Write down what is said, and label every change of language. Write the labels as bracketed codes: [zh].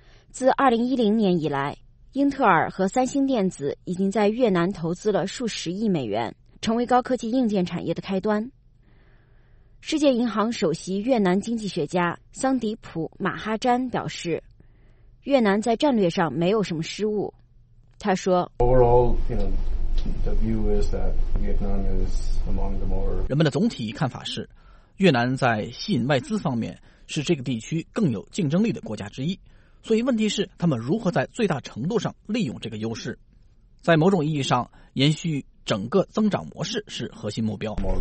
[zh] 自2010年以来，英特尔和三星电子已经在越南投资了数十亿美元，成为高科技硬件产业的开端。世界银行首席越南经济学家桑迪普·马哈詹表示，越南在战略上没有什么失误。他说 [en] Overall, you know, the view is that Vietnam is among the more... [zh] 人们的总体看法是，越南在吸引外资方面是这个地区更有竞争力的国家之一，所以问题是他们如何在最大程度上利用这个优势。在某种意义上，延续整个增长模式是核心目标。